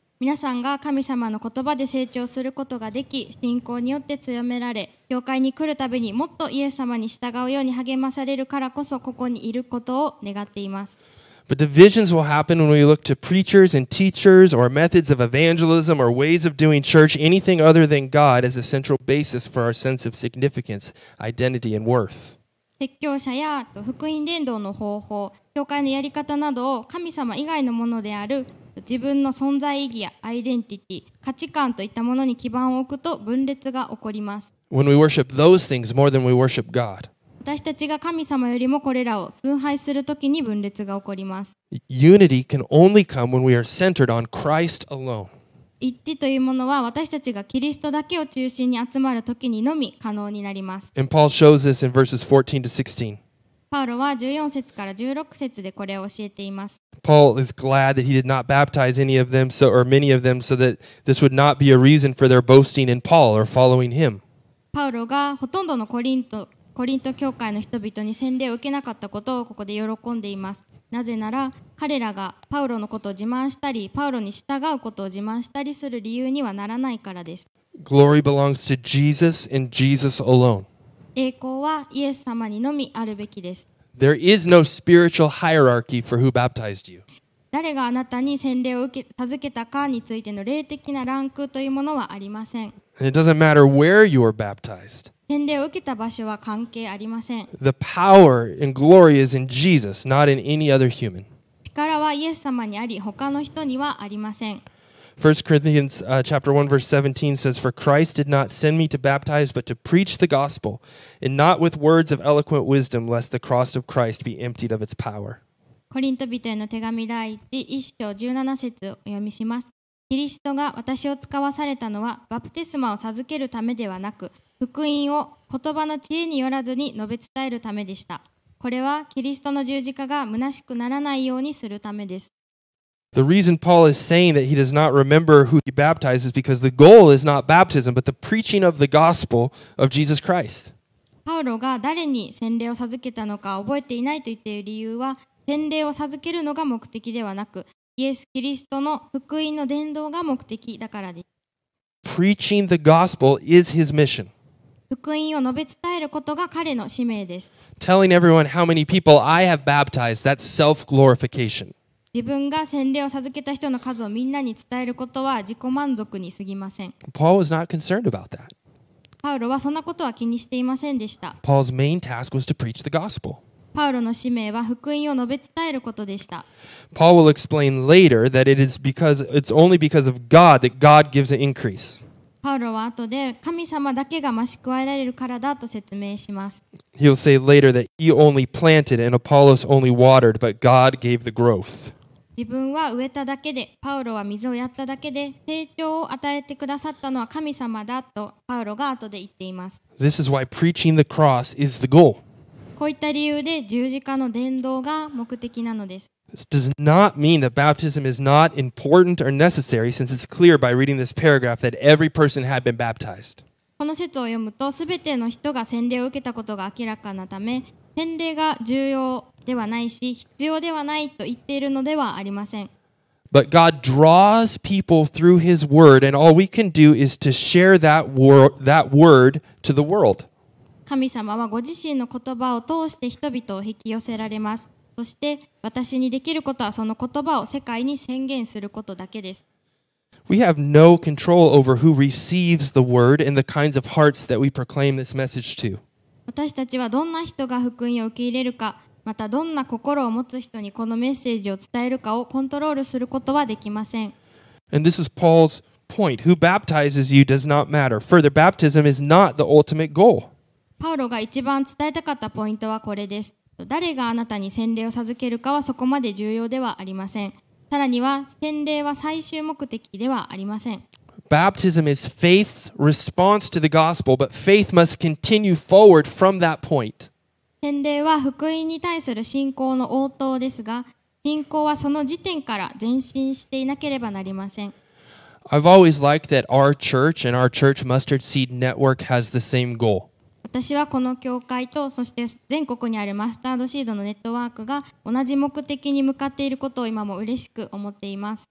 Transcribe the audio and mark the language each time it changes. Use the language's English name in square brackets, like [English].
[Japanese] 皆さんが神様の言葉で成長することができ、信仰によって強められ、教会に来るたびにもっとイエス様に従うように励まされるからこそここにいることを願っています。 [English] But divisions will happen when we look to preachers and teachers or methods of evangelism or ways of doing church, anything other than God as a central basis for our sense of significance, identity and worth. [Japanese] 説教者や福音伝道の方法、教会のやり方などを神様以外のものである自分の存在意義やアイデンティティ、価値観といったものに基盤を置くと分裂が起こります。 [English] When we worship those things more than we worship God. [Japanese] 私たちが神様よりもこれらを崇拝するときに分裂が起こります。 [English] Unity can only come when we are centered on Christ alone. [Japanese] 一致というものは私たちがキリストだけを中心に集まるときにのみ可能になります。 [English] And Paul shows this in verses 14 to 16. [Japanese] パウロは14節から16節でこれを教えています。 [English] Paul is glad that he did not baptize any of them, so, or many of them, so that this would not be a reason for their boasting in Paul or following him. [Japanese] パウロがほとんどのコリント教会の人々に洗礼を受けなかったことをここで喜んでいます。なぜなら彼らがパウロのことを自慢したり、パウロに従うことを自慢したりする理由にはならないからです。 [English] Glory belongs to Jesus and Jesus alone. [Japanese] 栄光はイエス様にのみあるべきです。 [English] There is no spiritual hierarchy for who baptized you. [Japanese] 誰があなたに洗礼を授けたかについての霊的なランクというものはありません。 [English] And it doesn't matter where you are baptized. [Japanese] 洗礼を受けた場所は関係ありません。 [English] The power and glory is in Jesus, not in any other human. [Japanese] 力はイエス様にあり、他の人にはありません。 [English] 1 Corinthians chapter 1 verse 17 says, For Christ did not send me to baptize, but to preach the gospel, and not with words of eloquent wisdom, lest the cross of Christ be emptied of its power. [Japanese] コリント人への手紙第一、一章17節を読みします。キリストが私を使わされたのはバプテスマを授けるためではなく、福音を言葉の知恵によらずに述べ伝えるためでした。これはキリストの十字架が虚しくならないようにするためです。 [English] The reason Paul is saying that he does not remember who he baptized is because the goal is not baptism, but the preaching of the gospel of Jesus Christ. [Japanese] パウロが誰に洗礼を授けたのか覚えていないと言っている理由は、洗礼を授けるのが目的ではなく、イエス・キリストの福音の伝道が目的だからです。 [English] Preaching the gospel is his mission. [Japanese] 福音を述べ伝えることが彼の使命です。 [English] Telling everyone how many people I have baptized, that's self-glorification. [Japanese] 自分が洗礼を授けた人の数をみんなに伝えることは自己満足にすぎません。 [English] Paul was not concerned about that. [Japanese] パウロはそんなことは気にしていませんでした。 [English] Paul's main task was to preach the gospel. [Japanese] パウロの使命は福音を述べ伝えることでした。 [English] Paul will explain later that it's only because of God that God gives an increase. [Japanese] パウロは後で神様だけが増し加えられるからだと説明します。 [English] He'll say later that he only planted and Apollos only watered, but God gave the growth. [Japanese] 自分は植えただけで、パウロは水をやっただけで、成長を与えてくださったのは神様だとパウロが後で言っています。 [English] This is why preaching the cross is the goal. [Japanese] こういった理由で十字架の伝道が目的なのです。 [English] This does not mean that baptism is not important or necessary, since it's clear by reading this paragraph that every person had been baptized. [Japanese] この説を読むと、すべての人が洗礼を受けたことが明らかなため、洗礼が重要ではないし、必要ではないと言っているのではありません。 [English] But God draws people through His Word, and all we can do is to share that word to the world. [Japanese] 神様はご自身の言葉を通して人々を引き寄せられます。そして私にできることはその言葉を世界に宣言することだけです。 [English] We have no control over who receives the word and the kinds of hearts that we proclaim this message to. [Japanese] 私たちはどんな人が福音を受け入れるか、またどんな心を持つ人にこのメッセージを伝えるかをコントロールすることはできません。 [English] And this is Paul's point. Who baptizes you does not matter. Further, baptism is not the ultimate goal. [Japanese] パウロが一番伝えたかったポイントはこれです。誰があなたに洗礼を授けるかはそこまで重要ではありません。さらには洗礼は最終目的ではありません。 [English] Baptism is faith's response to the gospel, but faith must continue forward from that point. [Japanese] 洗礼は福音に対する信仰の応答ですが、信仰はその時点から前進していなければなりません。 [English] I've always liked that our church and our church Mustard Seed Network has the same goal. [Japanese] 私はこの教会とそして全国にあるマスタードシードのネットワークが同じ目的に向かっていることを今も嬉しく思っています。